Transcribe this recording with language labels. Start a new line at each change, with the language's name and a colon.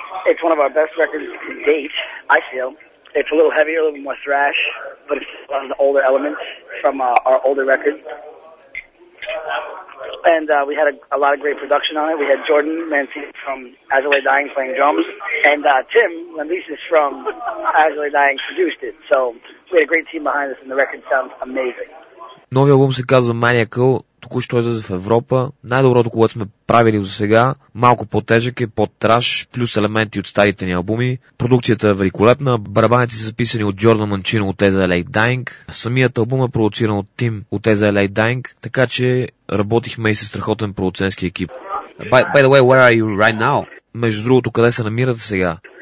English: It's one of our best records to date, I feel. It's a little heavier, a little more thrash, but it's one of the older elements from our older record. And we had a lot of great production on it. We had Jordan Mancini from As I Lay Dying playing drums, and Tim Lambesis from As I Lay Dying produced it. So we had a great team behind us, and the record sounds amazing.
Bulgarian: Новия албум се казва Maniacal. Току-що излезе в Европа. Най-доброто, което сме правили до сега, малко по-тежък е, по-траш, плюс елементи от старите ни албуми. Продукцията е великолепна. Барабаните са записани от Джордан Манчино от As I Lay Dying. Самият албум е продуциран от Тим от As I Lay Dying, така че работихме и с страхотен продуцентски екип.
English: By the way, where are you right now?
Bulgarian: Между другото, къде се намирате сега?